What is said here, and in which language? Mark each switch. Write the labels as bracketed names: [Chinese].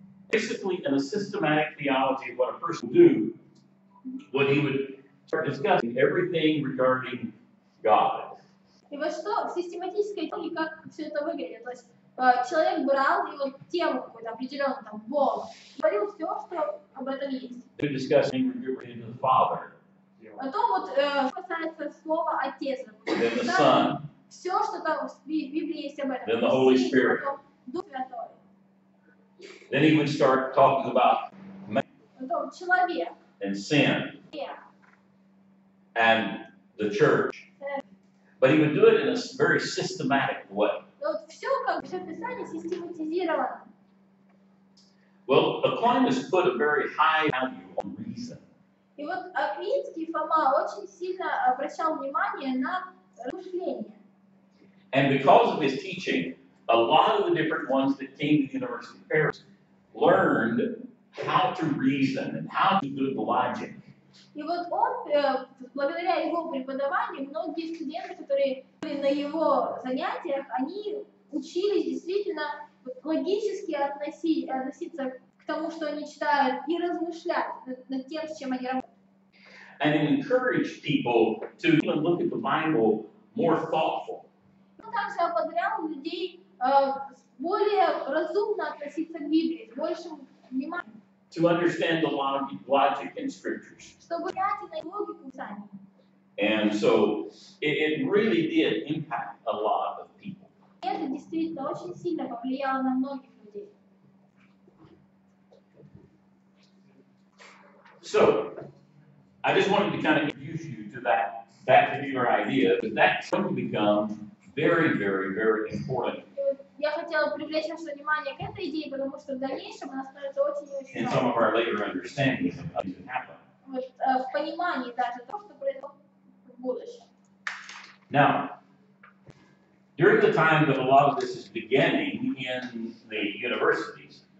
[English] Basically, in a systematic theology, what a person would do, what he would start discussing everything regarding God. [Russian] И вот что в систематической теологии, как все это выглядит, то есть человек брал его тему какую-то определенную, там, Бог, говорил все, что об этом есть. [English] Discussing regarding the Father. [Russian] О том, вот, что касается слова Отец. [English] Then the Son. [Russian] Все, что там в Библии есть об этом. [English] Then the Holy Spirit. [Russian] Дух Святой. [English] Then he would start talking about man. [Russian] Потом человек. [English] And sin. Yeah. And the church. But he would do it in a very systematic way. [Russian] Вот все, как все писание систематизировано. [English] Well, Aquinas put a very high value on reason. [Russian] И вот Аквинский Фома очень сильно обращал внимание на размышление. [English] And because of his teaching, a lot of the different ones that came to the University of Paris learned how to reason and how to do the logic. [Russian] И вот он, благодаря его преподаванию, многие студенты, которые были на его занятиях, они учились действительно логически относиться к тому, что они читают, и размышлять над тем, с чем они работают. [English] And it encouraged people to even look at the Bible more thoughtful. [Russian] Он также ободрял людей более разумно относиться к Библии, с большим вниманием. [English] To understand the logic in scriptures. [Russian] Чтобы понять логику писаний. [English] And so it really did impact a lot of people. [Russian] Это действительно очень сильно повлияло на многих людей. [English] So I just wanted to kind of introduce you to that particular idea, but that's going to become very, very, very important. [Russian] Я хотела привлечь ваше внимание к этой идее, потому что в дальнейшем она становится очень-очень важной. В понимании даже того, что произошло в будущем. [English] Now, during the time that a lot of this is beginning in the universities,